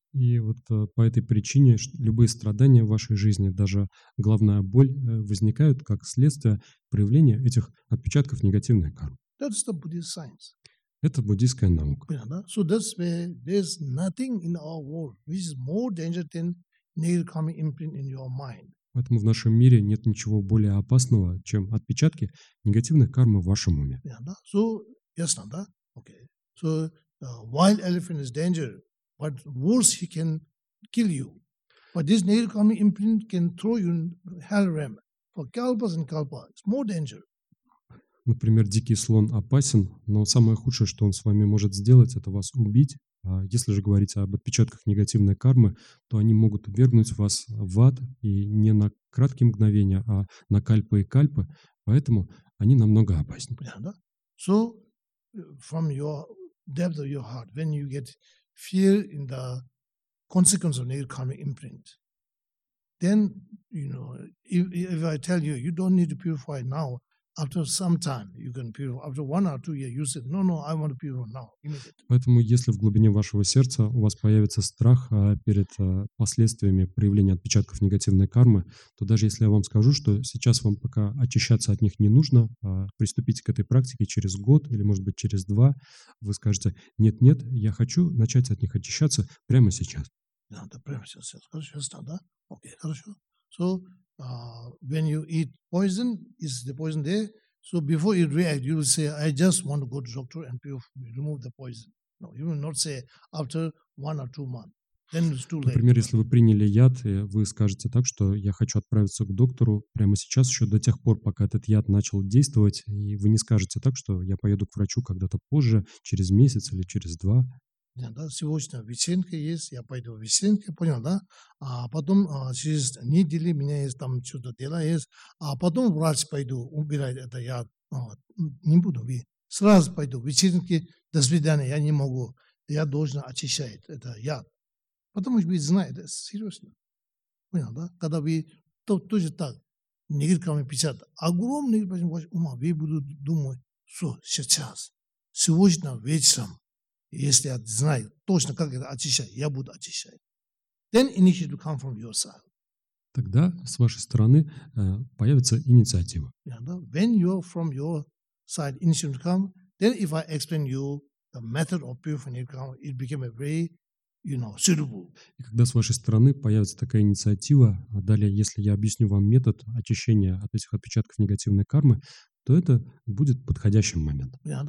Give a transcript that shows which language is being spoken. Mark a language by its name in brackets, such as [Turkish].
[Russian] И вот по этой причине любые страдания в вашей жизни, даже головная боль, возникают как следствие проявления этих отпечатков негативной кармы. [English] That's the Buddhist science. [Russian] Это буддийская наука. [English] So that's where there's nothing in our world which is more dangerous than negative karma imprint in your mind. [Russian] Поэтому в нашем мире нет ничего более опасного, чем отпечатки негативной кармы в вашем уме. So ясно, да? Okay. [English] So wild elephant is dangerous, but worse he can kill you. But this negative karma imprint can throw you in hell realm for kalpas and kalpas. It's more dangerous. [Russian] Например, дикий слон опасен, но самое худшее, что он с вами может сделать, это вас убить. Если же говорить об отпечатках негативной кармы, то они могут ввергнуть вас в ад и не на краткие мгновения, а на кальпы и кальпы, поэтому они намного опаснее. Понятно, да? [English] So, from your depth of your heart, when you get fear in the consequence of negative karma imprint, then, if I tell you, you don't need to purify now, after some time you can purify. After one or two years, you say, no, I want to purify now. [Russian] Поэтому, если в глубине вашего сердца у вас появится страх перед последствиями проявления отпечатков негативной кармы, то даже если я вам скажу, что сейчас вам пока очищаться от них не нужно, приступите к этой практике через год или, может быть, через два, вы скажете, нет, я хочу начать от них очищаться прямо сейчас. Да, прямо сейчас. Хорошо, сейчас, да? Окей, хорошо. [English] So, when you eat poison, is the poison there? So before you react, you will say, I just want to go to the doctor and remove the poison. No, you will not say after one or two months. Then it's too late. [Russian] Например, если вы приняли яд, вы скажете так, что я хочу отправиться к доктору прямо сейчас, еще до тех пор, пока этот яд начал действовать, и вы не скажете так, что я поеду к врачу когда-то позже, через месяц или через два. Нет, да, сегодня вечеринка есть, я пойду в вечеринку, понял, да? А потом через неделю у меня есть там что-то дела есть, а потом врач пойду убирать это яд. Не буду, сразу пойду в вечеринку, до свидания, я не могу. Я должен очищать это яд. Потому что вы знаете, серьезно. Понял, да? Когда вы тоже так, негативные печатки, огромные, ума, вы будут думать, все сейчас, сегодня вечером, если я знаю точно, как это очищать, я буду очищать. [English] Then initiative will come from your side. [Russian] Тогда с вашей стороны появится инициатива. [English] When you're from your side, initiative come. Then if I explain you the method of purification, it became a very, you know, suitable. [Russian] И когда с вашей стороны появится такая инициатива, а далее, если я объясню вам метод очищения от этих отпечатков негативной кармы, то это будет подходящим моментом.